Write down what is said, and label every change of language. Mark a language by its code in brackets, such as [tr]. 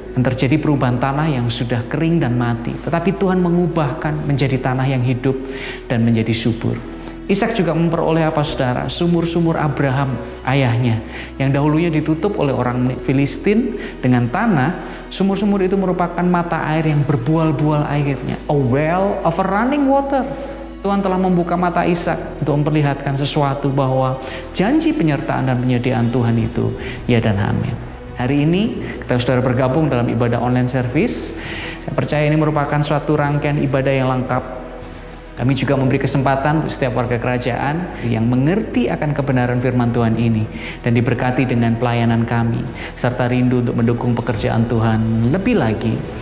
[id] Dan terjadi perubahan tanah yang sudah kering dan mati. Tetapi Tuhan mengubahkan menjadi tanah yang hidup dan menjadi subur. Ishak juga memperoleh apa saudara? Sumur-sumur Abraham ayahnya. Yang dahulunya ditutup oleh orang Filistin dengan tanah. Sumur-sumur itu merupakan mata air yang berbual-bual airnya. [en] A well of a running water. [id] Tuhan telah membuka mata Ishak untuk memperlihatkan sesuatu bahwa janji penyertaan dan penyediaan Tuhan itu ya dan amin. Hari ini kita sudah bergabung dalam ibadah online service. Saya percaya ini merupakan suatu rangkaian ibadah yang lengkap. Kami juga memberi kesempatan untuk setiap warga kerajaan yang mengerti akan kebenaran firman Tuhan ini dan diberkati dengan pelayanan kami serta rindu untuk mendukung pekerjaan Tuhan lebih lagi.